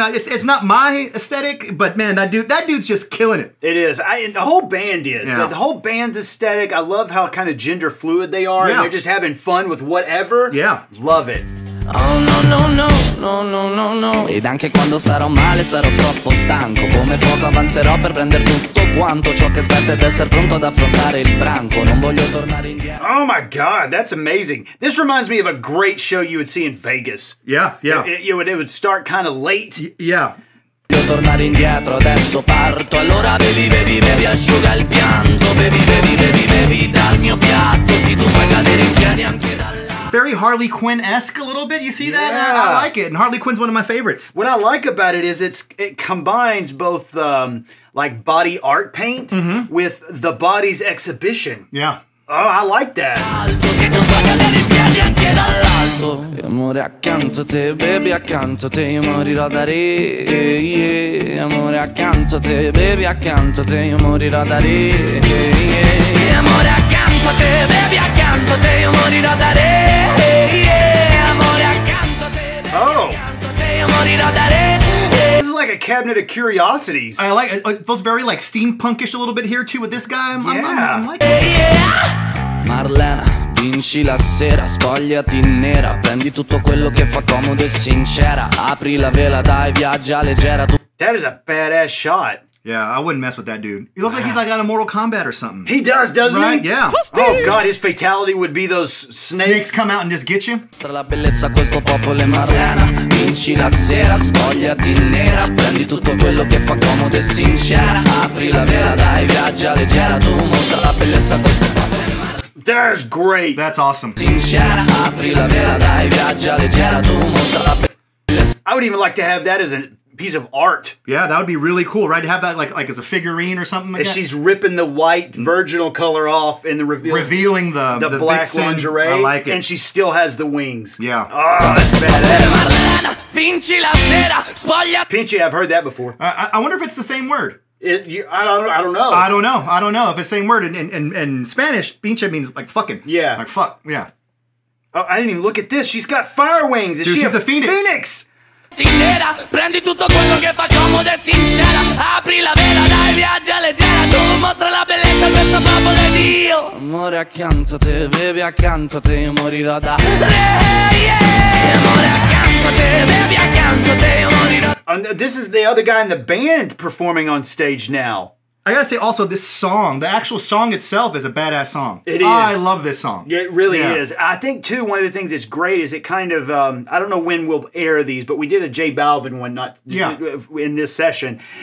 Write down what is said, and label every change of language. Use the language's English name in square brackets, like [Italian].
[English] It's not my aesthetic, but man, that dude's just killing it. It is. And the whole band is. Yeah. The whole band's aesthetic. I love how kind of gender fluid they are. Yeah. And they're just having fun with whatever. Yeah. Love it. Oh no no no no no no no. [Italian] Ed anche quando starò male sarò troppo stanco. Come fuoco avanzerò per prendere tutto quanto ciò che aspetta ed essere pronto ad affrontare il branco. Non voglio tornare indietro. [English] Oh my God, that's amazing. This reminds me of a great show you would see in Vegas. Yeah, yeah. It would start kind of late. Yeah. [Italian] Voglio tornare indietro adesso parto. Allora bevi bevi bevi asciuga il pianto. Bevi bevi bevi bevi dal mio piatto. Si tu fai cadere in piedi anche dal [English] Very Harley Quinn-esque a little bit. You see yeah. that? I like it. And Harley Quinn's one of my favorites. What I like about it is it combines both like body art paint mm-hmm. with the body's exhibition. Yeah. Oh, I like that. [Italian] E amore accanto a te, baby accanto a te, io morirò da re. Yeah. Amore accanto a te, baby accanto a te, io morirò da re. Yeah. E amore accanto a te, baby accanto a te, io morirò da re. Yeah. Amore accanto a te, baby accanto a te, io morirò da re. [English] This is like a cabinet of curiosities. I like it. It feels very like steampunkish a little bit here too with this guy. I'm liking it. [Italian] Marlena, vinci la sera, spogliati in nera, prendi tutto quello che fa comodo e sincera, apri la vela, dai, viaggia leggera. [English] That is a badass shot. Yeah, I wouldn't mess with that dude. He looks like he's like out of Mortal Kombat or something. He does, doesn't right? he? Yeah. Oh god, his fatality would be those snakes. Snakes come out and just get you. [Italian] Mostra la bellezza a questo popolo Marlena. Vinci la sera, spogliati nera, prendi tutto quello che fa comodo e sincera. Apri la vela, dai, viaggia leggera, tu mostra la bellezza a questo popolo. [English] That's great. That's awesome. [Italian] Sincera, apri la vela, dai, viaggia leggera, tu mostra la bellezza. [English] I would even like to have that as a piece of art. Yeah, that would be really cool, right? To have that like as a figurine or something like as that. She's ripping the white virginal color off and the revealing the black vixen lingerie. I like it. And she still has the wings. Yeah. Oh, that's badass. Pinchy, I've heard that before. I wonder if it's the same word. I don't know if it's the same word in Spanish. Pinche means like fucking. Yeah. Like fuck. Yeah. Oh, I didn't even look at this. She's got fire wings. Dude, she's a phoenix. Phoenix. [Italian] Prendi tutto quello che fa comodo e sincera. Apri la vela, dai, viaggia leggera. Tu mostra la bellezza, questa favola è Dio. Amore accanto a te, baby accanto a te, io morirò da re. Yeah. Amore accanto a te, baby accanto a te, io morirò. [English] And this is the other guy in the band performing on stage now. I gotta say also, this song, the actual song itself is a badass song. It is. I love this song. It really is. I think too, one of the things that's great is it kind of, I don't know when we'll air these, but we did a J Balvin one in this session.